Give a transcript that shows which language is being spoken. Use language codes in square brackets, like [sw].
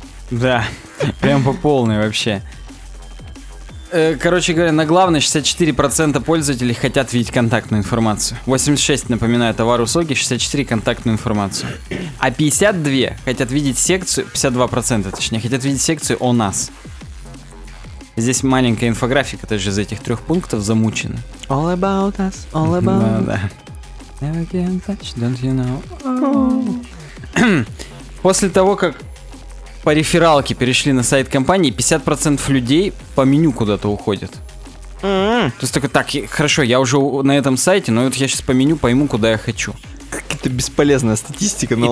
[ru] Да, прям по полной вообще. Короче говоря, на главной 64% пользователей хотят видеть контактную информацию. 86, напоминаю, товары, услуги, 64 контактную информацию. А 52 хотят видеть секцию, 52% точнее, хотят видеть секцию «О нас». Здесь маленькая инфографика тоже из этих трех пунктов замучена. [en] All about us, all about us. [ru] Да, да. [en] Never can touch, don't you know? [ru] После того, как по рефералке перешли на сайт компании, 50% людей по меню куда-то уходят. Mm-hmm. То есть такой, так, хорошо, я уже на этом сайте, но вот я сейчас по меню пойму, куда я хочу. Какая-то бесполезная статистика, ну